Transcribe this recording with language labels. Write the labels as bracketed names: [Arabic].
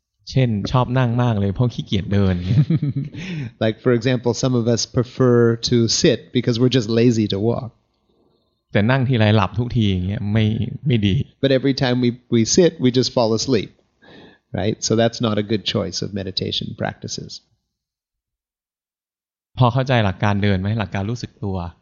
[Thai] เช่นชอบนั่งมากเลยเพราะขี้เกียจเดิน [English] Like for example some of us prefer to sit because we're just lazy to walk [Thai] แต่นั่งทีไรหลับทุกทีอย่างเงี้ยไม่ดี [English] But every time we sit we just fall asleep right so that's not a good choice of meditation practices [Thai] พอเข้าใจหลักการเดินไหมหลักการรู้สึกตัว